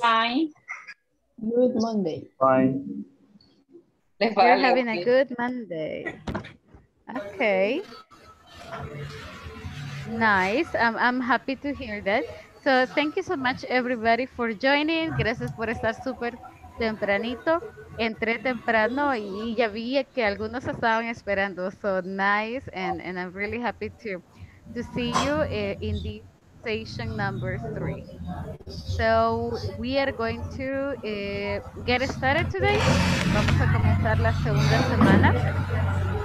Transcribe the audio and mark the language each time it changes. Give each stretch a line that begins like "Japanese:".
English: Fine. Good Monday. Fine. You're having a good Monday. Okay. Nice. I'm happy to hear that. So thank you so much, everybody, for joining.
Spanish: Gracias por estar súper tempranito. Entré temprano y ya vi que algunos estaban esperando.
English: So nice. And I'm really happy to see you in the session number 3. So we are going to get started today.
Spanish: Vamos a comenzar la segunda semana.